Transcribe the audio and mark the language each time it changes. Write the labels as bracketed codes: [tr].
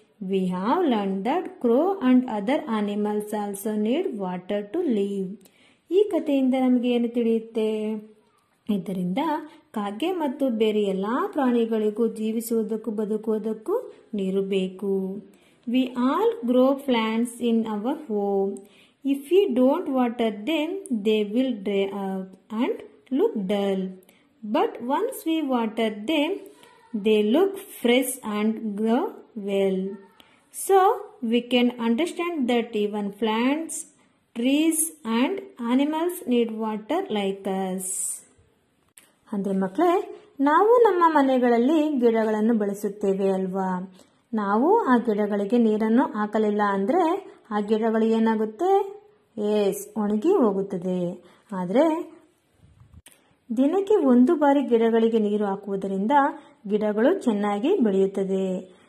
[en] We have learn that crow and other animals also need water to live. [kn] ಈ ಕಥೆಯಿಂದ ನಮಗೆ ಏನು ತಿಳಿಯುತ್ತೆ? ಇದರಿಂದ ಕಾಗೆ ಮತ್ತು ಬೇರೆ ಎಲ್ಲಾ ಪ್ರಾಣಿಗಳಿಗೂ ಜೀವಿಸುವುದಕ್ಕೂ ಬದುಕುವುದಕ್ಕೂ ನೀರು ಬೇಕು. [en] We all grow plants in our home. If we don't water them, they will dry up and look dull. But once we water them, they look fresh and grow well. So, we can understand that even plants, trees and animals need water like us. [kn] ಅಂದ್ರೆ ಮಕ್ಕಳೇ, ನಾವು ನಮ್ಮ ಮನೆಗಳಲ್ಲಿ ಗಿಡಗಳನ್ನು ಬೆಳೆಸುತ್ತೇವೆ ಅಲ್ವಾ? ನಾವು ಆ ಗಿಡಗಳಿಗೆ ನೀರನ್ನು ಹಾಕಲಿಲ್ಲ ಅಂದ್ರೆ ಆ ಗಿಡಗಳು ಏನಾಗುತ್ತೆ? ಒಣಗಿ ಹೋಗುತ್ತದೆ. ಆದರೆ ದಿನಕ್ಕೆ ಒಂದು ಬಾರಿ ಗಿಡಗಳಿಗೆ ನೀರು ಹಾಕುವುದರಿಂದ ಗಿಡಗಳು ಚೆನ್ನಾಗಿ ಬೆಳೆಯುತ್ತದೆ.